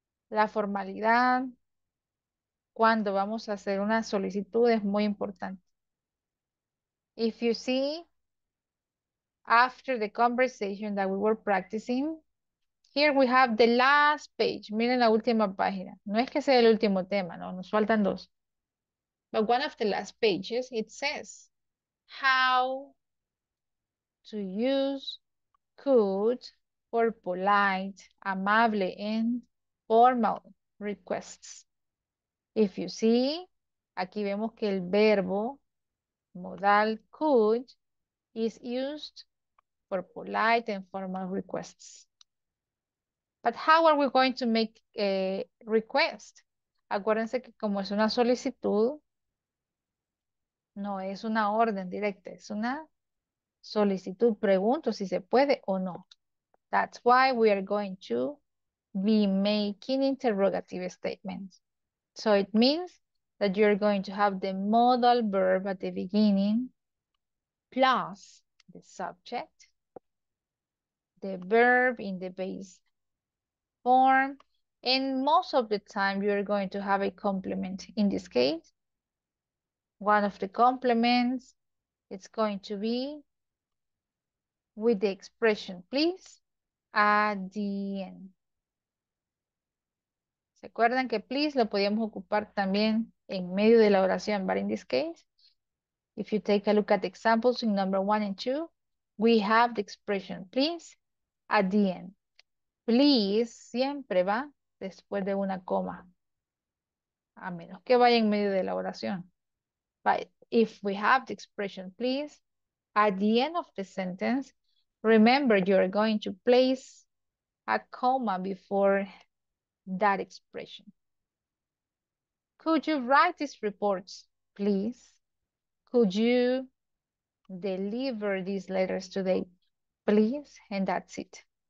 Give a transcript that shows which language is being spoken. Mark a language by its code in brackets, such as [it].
[es] La formalidad, cuando vamos a hacer una solicitud, es muy importante. [en] If you see, after the conversation that we were practicing, here we have the last page. [es] Miren la última página. No es que sea el último tema, no, nos faltan dos. [en] But one of the last pages, it says, how to use could for polite, amable, and formal requests. If you see, [es] aquí vemos que el verbo modal [en] could is used for polite and formal requests. But how are we going to make a request? [es] Acuérdense que como es una solicitud, no es una orden directa, es una solicitud. Pregunto si se puede o no. [en] That's why we are going to be making interrogative statements. So it means that you're going to have the modal verb at the beginning plus the subject, the verb in the base form, and most of the time you're going to have a complement. In this case, one of the complements, it's going to be with the expression, please, at the end. [es] ¿Se acuerdan que please lo podíamos ocupar también en medio de la oración? [en] But in this case, if you take a look at the examples in number one and two, we have the expression please at the end. [es] Please siempre va después de una coma. A menos que vaya en medio de la oración. [en] But if we have the expression please at the end of the sentence, remember you're going to place a comma before that expression. Could you write this report, please? Could you deliver these letters today, please? And that's it.